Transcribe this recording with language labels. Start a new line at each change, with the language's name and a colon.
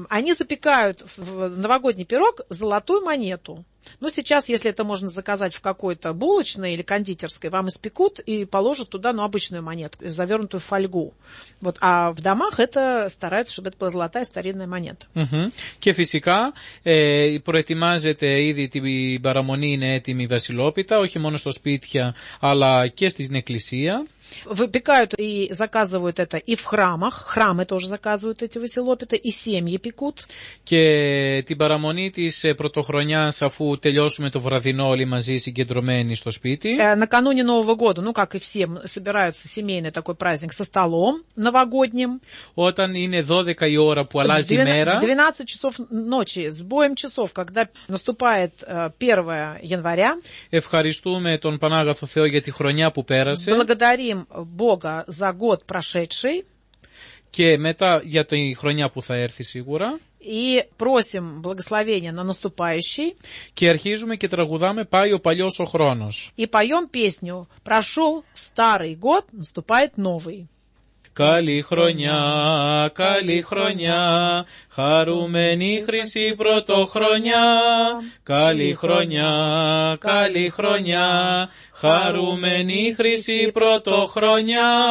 Russian: Они запекают в новогодний пирог золотую монету. Ну, сейчас, если это можно заказать в какой-то булочной или кондитерской, вам испекут и положат туда, ну, обычную монетку, завернутую в фольгу. Вот. А в домах это стараются, чтобы это была золотая старинная монета.
Greek: Και φυσικά, προετοιμάζεται ήδη την παραμονή, είναι έτοιμη βασιλόπιτα, όχι μόνο στο σπίτι, αλλά και στην εκκλησία.
Russian: Выпекают и заказывают это и в храмах. Храмы тоже заказывают эти василопиты, и семьи пекут.
Greek: Και την παραμονή της πρωτοχρονιάς, αφού τελειώσουμε το βραδινό όλοι μαζί συγκεντρωμένοι στο σπίτι.
Russian: Накануне Нового года, ну как и все, собираются семейный такой праздник со столом новогодним.
Greek: Όταν είναι 12 η ώρα που αλλάζει η μέρα.
Russian: 12 часов ночи, с боем часов, когда наступает 1 января.
Greek: Ευχαριστούμε τον Πανάγαθο Θεό για τη χρονιά που πέρασε.
Russian: Благодарим Бога за год прошедший.
Greek: Και μετά για την χρονιά που θα έρθει σίγουρα.
Russian: И просим благословения на наступающий.
Greek: Και αρχίζουμε και τραγουδάμε «Πάει ο παλιός ο χρόνος».
Russian: И поем песню «Прошел старый год, наступает новый».
Greek: Καλή χρονιά, καλή χρονιά, χαρούμενη χρυσή πρωτοχρονιά. Καλή χρονιά, καλή χρονιά, χαρούμενη χρυσή πρωτοχρονιά.